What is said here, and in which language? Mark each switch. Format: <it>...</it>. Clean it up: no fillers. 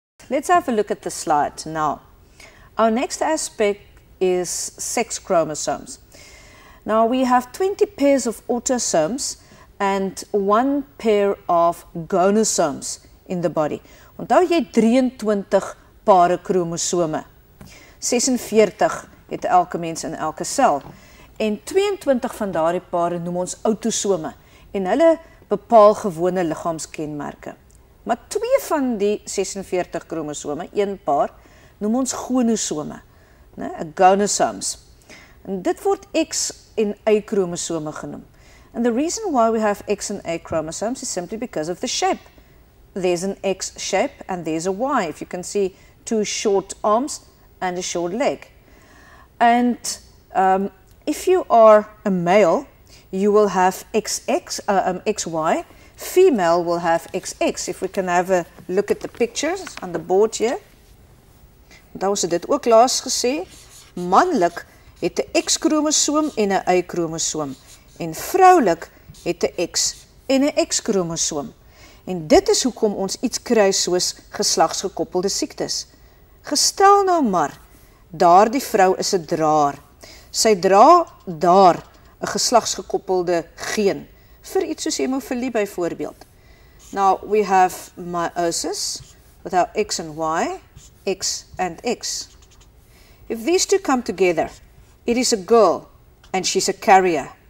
<en>Let's have a look at the slide now. Our next aspect is sex chromosomes. Now we have 20 pairs of autosomes and one pair of gonosomes in the body.</en> <af>Onthou jy 23 pare kromosome. 46 het elke mens in elke sel. En 22 van daardie pare noem ons autosome en hulle bepaal gewone liggaamskenmerke. Maar twee van die 46 kromosome, een paar, noem ons gonosome, gonosomes. En dit word X en Y kromosome genoem.</af> <en>And the reason why we have X and Y chromosomes is simply because of the shape. There's an X shape and there's a Y. If you can see two short arms and a short leg. And if you are a male, you will have XY. Female will have XX. If we can have a look at the pictures on the board here.</en> <af>Daar was dit ook laas gesê. Manlik het 'n X-kromosoom en 'n Y-kromosoom. En vroulik het 'n X en 'n X-kromosoom. En dit is hoekom ons iets kry soos geslagsgekoppelde siektes. Gestel nou maar, daardie vrou is 'n draer. Sy dra daar 'n geslagsgekoppelde geen. Vir iets soos hemofilie byvoorbeeld.</af> <en>Now we have meiosis with our X and Y, X and X. If these two come together, it is a girl and she's a carrier.</en>